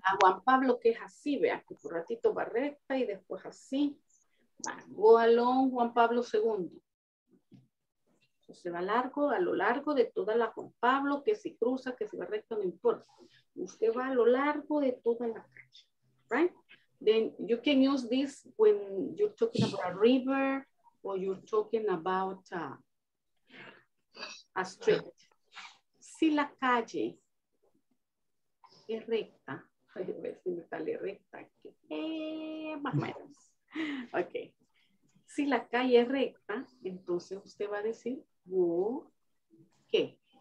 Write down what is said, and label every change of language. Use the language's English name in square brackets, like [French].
[Spanish] A Juan Pablo, que es así, vea. Que por ratito va recta y después así. Goalón Juan Pablo II. Se va largo, a lo largo de toda la Juan Pablo, que si cruza, que si va recta, no importa. Usted va a lo largo de toda la calle. [English] Right? Then you can use this when you're talking about a river or you're talking about a street. [Spanish] Si la calle es recta, voy a ver si me sale recta aquí. Más o menos. Okay. Si la calle es recta, entonces usted va a decir, go, ¿qué?